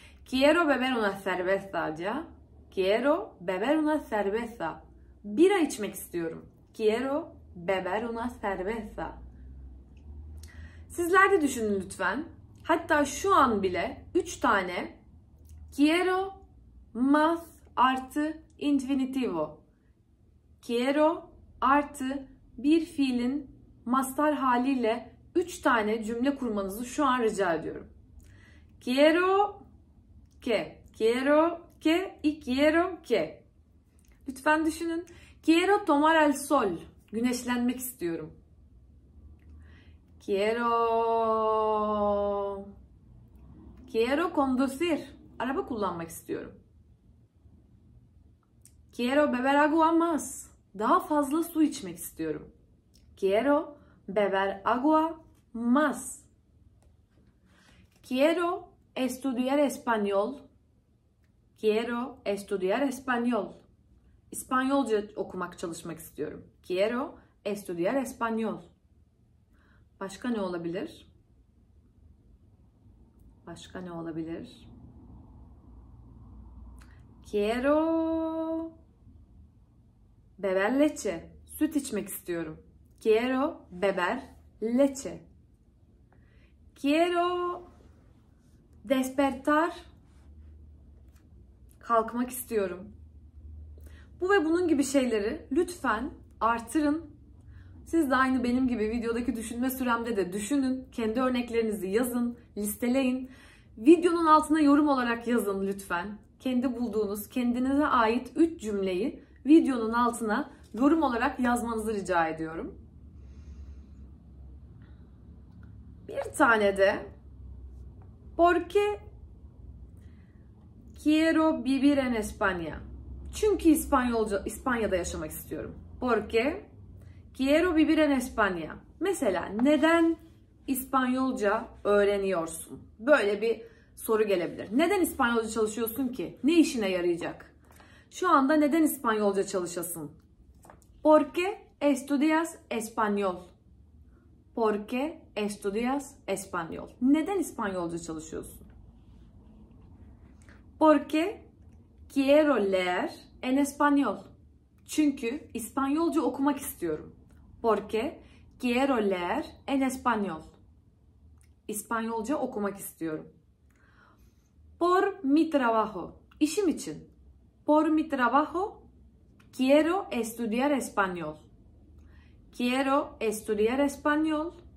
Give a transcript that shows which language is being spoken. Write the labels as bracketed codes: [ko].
[es] Quiero beber una cerveza ya. Quiero beber una cerveza. [tr] Bira içmek istiyorum. [es] Quiero beber una cerveza. [tr] Sizler de düşünün lütfen. Hatta şu an bile 3 tane quiero más artı infinitivo. Quiero artı bir fiilin mastar haliyle 3 tane cümle kurmanızı şu an rica ediyorum. [es] Quiero que, quiero que y quiero que. [tr] Lütfen düşünün. [es] Quiero tomar el sol. [tr] Güneşlenmek istiyorum. [es] Quiero conducir. [tr] Araba kullanmak istiyorum. [es] Quiero beber agua más. [tr] Daha fazla su içmek istiyorum. [es] Quiero beber agua más. Quiero estudiar español. Quiero estudiar español. [tr] İspanyolca okumak, çalışmak istiyorum. [es] Quiero estudiar español. [tr] Başka ne olabilir? Başka ne olabilir? [es] Quiero beber leche. [tr] Süt içmek istiyorum. [es] Quiero beber leche. Quiero despertar. [tr] Kalkmak istiyorum. Bu ve bunun gibi şeyleri lütfen artırın. Siz de aynı benim gibi videodaki düşünme süremde de düşünün. Kendi örneklerinizi yazın, listeleyin. Videonun altına yorum olarak yazın lütfen. Kendi bulduğunuz, kendinize ait 3 cümleyi videonun altına yorum olarak yazmanızı rica ediyorum. Bir tane de [es] porque quiero vivir en España. [tr] Çünkü İspanya'da yaşamak istiyorum. [es] Porque quiero vivir en España. [tr] Mesela neden İspanyolca öğreniyorsun? Böyle bir soru gelebilir. Neden İspanyolca çalışıyorsun ki? Ne işine yarayacak? Şu anda neden İspanyolca çalışasın? [es] Porque estudias español. Porque estudias español. [tr] Neden İspanyolca çalışıyorsun? [es] Porque quiero leer en español. [tr] Çünkü İspanyolca okumak istiyorum. [es] Porque quiero leer en español. [tr] İspanyolca okumak istiyorum. [es] Por mi trabajo. [tr] İşim için. [es] Por mi trabajo quiero estudiar español. Quiero estudiar español.